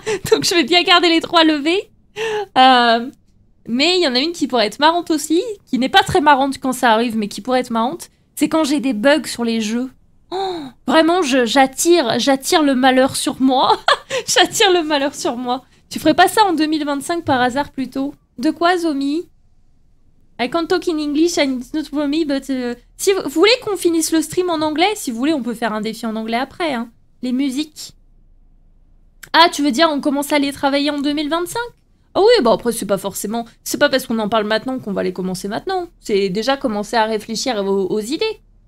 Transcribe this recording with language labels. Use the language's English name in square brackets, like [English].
[French] Donc je vais bien garder les 3 levés. Mais il y en a une qui pourrait être marrante aussi, qui n'est pas très marrante quand ça arrive, mais qui pourrait être marrante, c'est quand j'ai des bugs sur les jeux. Oh, vraiment, j'attire le malheur sur moi. J'attire le malheur sur moi. Tu ferais pas ça en 2025 par hasard plutôt? De quoi, Zomi? [English] I can't talk in English and it's not for me, but... [French] Si vous voulez qu'on finisse le stream en anglais, si vous voulez, on peut faire un défi en anglais après, hein. Les musiques. Ah, tu veux dire on commence à les travailler en 2025? Ah oui, bah après, c'est pas forcément... C'est pas parce qu'on en parle maintenant qu'on va les commencer maintenant. C'est déjà commencer à réfléchir aux idées.